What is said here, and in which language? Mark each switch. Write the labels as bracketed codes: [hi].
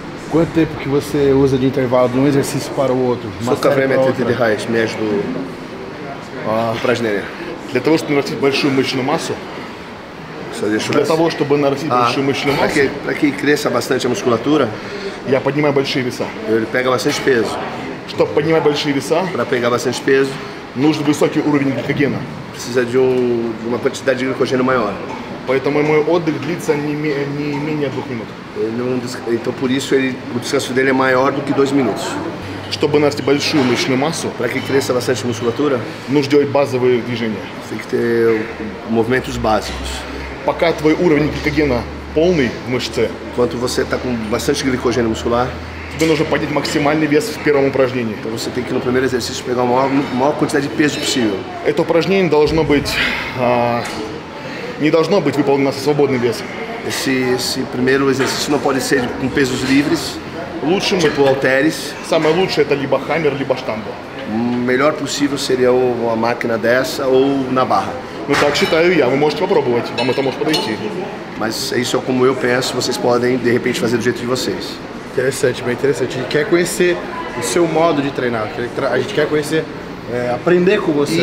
[pt] Quanto tempo que você usa de intervalo de um exercício para o outro? [ru] Сколько времени ты отдыхаешь между упражнениями? Для того, чтобы нарастить большую мышечную массу. Для того, чтобы нарастить большую мышечную массу. [pt] Para que cresça bastante a musculatura. [ru] Я поднимаю большие веса. [pt] Ele pega bastante peso. [ru] Чтобы поднимать большие веса. [pt] Para pegar bastante peso. [ru] Нужен высокий уровень гликогена. [pt] Precisa de uma quantidade de glicogênio maior. [ru] Поэтому мой отдых длится не менее 2 минут. [pt] Então por isso o descanso dele é maior do que 2 minutos. [ru] Чтобы нарастить большую мышечную массу, [pt] para que cresça bastante musculatura, [ru] нужно делать базовые движения. [pt] Tem que ter movimentos básicos. [ru] Пока твой уровень гликогена полный в мышце, [pt] quando você está com bastante glicogênio muscular, [ru] тебе нужно поднять максимальный вес в первом упражнении. [pt] Então você tem que no primeiro exercício pegar a maior quantidade de peso possível. [ru] Это упражнение должно быть не должно быть выполнено со свободным весом. [pt] Esse primeiro exercício não pode ser com pesos livres, [ru] лучшим, [pt] tipo halteres. [ru] Самое лучшее это либо хаммер, либо штанга. [pt] Melhor possível seria uma máquina dessa ou na barra. [ru] Ну так считаю я, вы можете попробовать, вам это может подойти. [pt] Mas isso é como eu penso, vocês podem de repente fazer do jeito de vocês. Interessante, bem interessante. A gente quer conhecer o seu modo de treinar, a gente quer conhecer, é, aprender com você.